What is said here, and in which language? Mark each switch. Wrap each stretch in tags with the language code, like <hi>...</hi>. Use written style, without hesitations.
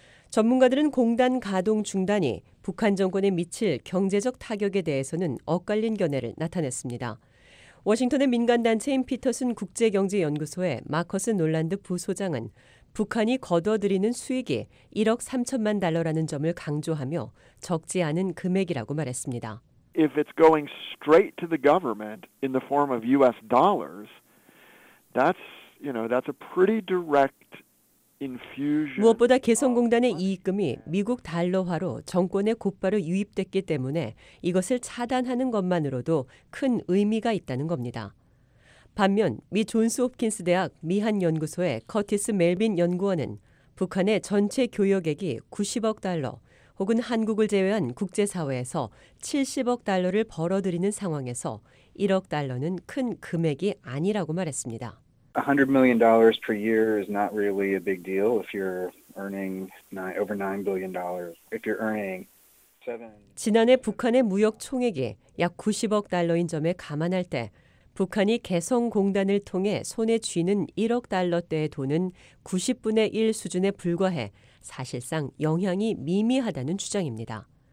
<ko>전문가들은 공단 가동 중단이 북한 정권에 미칠 경제적 타격에 대해서는 엇갈린 견해를 나타냈습니다. 워싱턴의 민간단체인 피터슨 국제경제연구소의 마커스 놀란드 부소장은 북한이 거둬들이는 수익이 1억 3천만 달러라는 점을 강조하며 적지 않은 금액이라고 말했습니다.</ko> <en>If it's going straight to the government in the form of US dollars, that's a pretty direct</en> <ko>무엇보다 개성공단의 이익금이 미국 달러화로 정권에 곧바로 유입됐기 때문에 이것을 차단하는 것만으로도 큰 의미가 있다는 겁니다. 반면 미 존스 홉킨스 대학 미한연구소의 커티스 멜빈 연구원은 북한의 전체 교역액이 90억 달러 혹은 한국을 제외한 국제사회에서 70억 달러를 벌어들이는 상황에서 1억 달러는 큰 금액이 아니라고 말했습니다.</ko> <en>$100 million per year is not really a big deal if you're earning over $9 billion. If you're earning</en> <ko>지난해 북한의 무역 총액이 약 90억 달러인 점에 감안할 때 북한이 개성공단을 통해 손에 쥐는 1억 달러대의 돈은 90분의 1 수준에 불과해 사실상 영향이 미미하다는 주장입니다.</ko>